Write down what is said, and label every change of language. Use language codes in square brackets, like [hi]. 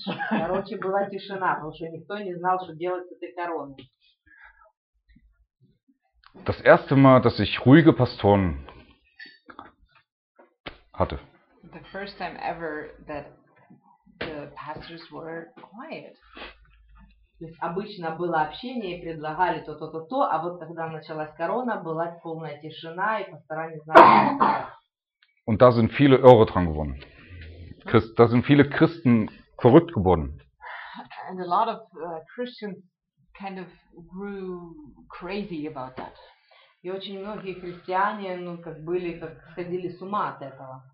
[ru] Короче, была тишина, потому что никто не знал, что делать с этой короной. [de] Das erste Mal, dass ich ruhige Pastoren hatte. [en] The first time ever that the pastors were quiet. [ru] То есть обычно было общение и предлагали то-то-то-то, а вот когда началась корона, была полная тишина и пастора не знали. [de] Und da sind viele irre dran geworden. Da sind viele Christen verrückt geworden. [en] And a lot of Christians kind of grew crazy about that. [ru] И очень многие христиане, ну как были, как сходили с ума от этого.